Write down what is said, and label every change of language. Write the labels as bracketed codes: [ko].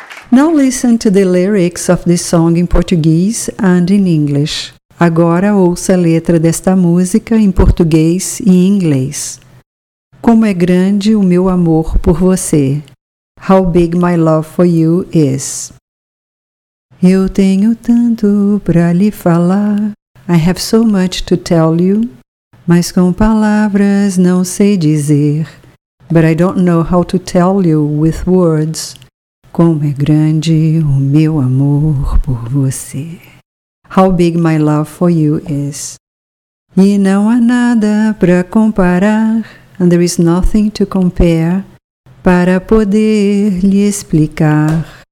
[en] Now listen to the lyrics of this song in Portuguese and in English. [pt] Agora ouça a letra desta música em português e em inglês. Como é grande o meu amor por você. [en] How big my love for you is. [pt] Eu tenho tanto pra lhe falar. [en] I have so much to tell you. [pt] Mas com palavras não sei dizer. [en] But I don't know how to tell you with words. [pt] Como é grande o meu amor por você. [en] How big my love for you is. [pt] E não há nada pra comparar. [en] And there is nothing to compare. [pt] Para poder lhe explicar.